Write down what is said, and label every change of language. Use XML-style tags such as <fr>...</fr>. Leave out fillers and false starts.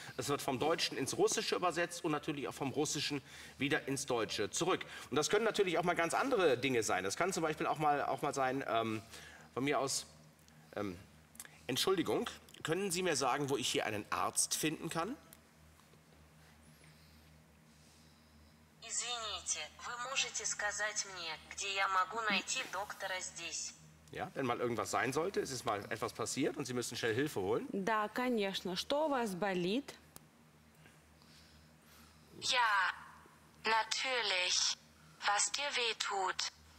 <de>Es wird vom Deutschen ins Russische übersetzt und natürlich auch vom Russischen wieder ins Deutsche zurück. Und das können natürlich auch mal ganz andere Dinge sein. Das kann zum Beispiel auch mal sein, Entschuldigung, Können Sie mir sagen, wo ich hier einen Arzt finden kann?</de> <ru>Извините, вы можете сказать мне, где я могу найти доктора здесь?</ru> <de>Ja, wenn mal irgendwas sein sollte, es ist mal etwas passiert und Sie müssen schnell Hilfe holen.</de> <ru>Да, конечно. Что у вас болит?</ru> <de>Ja, natürlich. Was dir weh tut.</de>